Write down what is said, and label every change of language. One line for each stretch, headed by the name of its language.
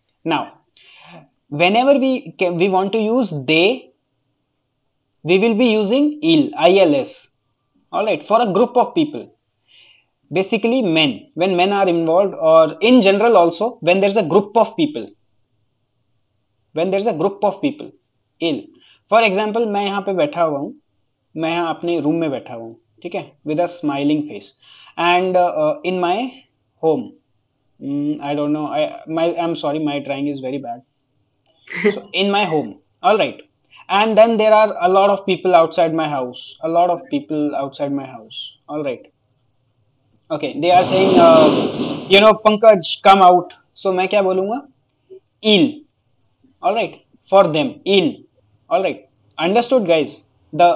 English: Now, whenever we want to use they, we will be using il, ils. All right, for a group of people, basically men, when men are involved, or in general also when there's a group of people, when there's a group of people, il. For example,
Hindi: मैं यहाँ पे बैठा हुआ हूँ, मैं यहाँ अपने room में बैठा हुआ हूँ, ठीक है,
English: With a smiling face, and in my home, I don't know, I am sorry, my drawing is very bad. So in my home, all right, and then there are a lot of people outside my house, a lot of people outside my house, all right. Okay, they are saying, you know, Pankaj, come out. So
Hindi: main kya bolunga?
English: Il. All right. For them, il. All right. Understood, guys? The